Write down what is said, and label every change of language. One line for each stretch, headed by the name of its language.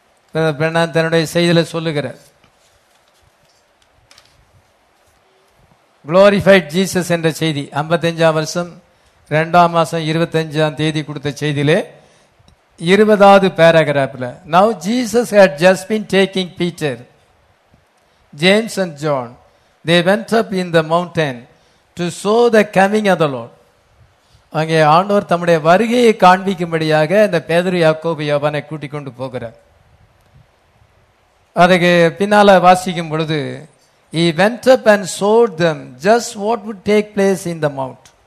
Tamil: Brother Brennan தன்னுடைய செய்தியில் சொல்லுகிறார், Glorified Jesus என்ற செய்தி 55 2 மாசம் 25 தேதி கொடுத்த செய்தியிலே 20 பேராகிராஃபில்,
English: Now Jesus had just been taking Peter, James and John. They went up in the mountain to show the coming of the Lord.
Tamil: அங்கே ஆண்டவர் தம்முடைய வருகையை காண்பிக்கும்படியாக இந்த பேதுரு யாக்கோபு யோவானை கூட்டிக் கொண்டு போகிறார். அதுக்கு பின்னால வாசிக்கும் பொழுது,
English: He went up and showed them just what would take place in the mount.